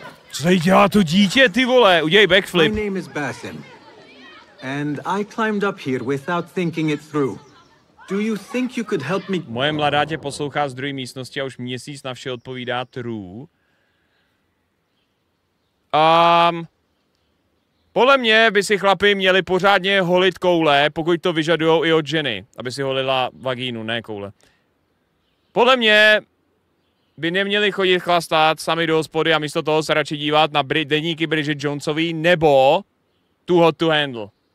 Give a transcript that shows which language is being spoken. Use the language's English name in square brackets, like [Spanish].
[Czech] Co tady dělá to dítě, ty vole? Udělej backflip. [English] My name is Basim. And I climbed up here without thinking it through. Do you think you could help me? [Czech] Moje mladá tě poslouchá z druhé místnosti a už měsíc na vše odpovídá true. Podle mě by si chlapi měli pořádně holit koule, pokud to vyžadujou i od ženy. Aby si holila vagínu, ne koule. Podle mě by neměli chodit chlastat sami do hospody a místo toho se radši dívat na deníky Bridget Jonesový nebo Too Hot to Handle.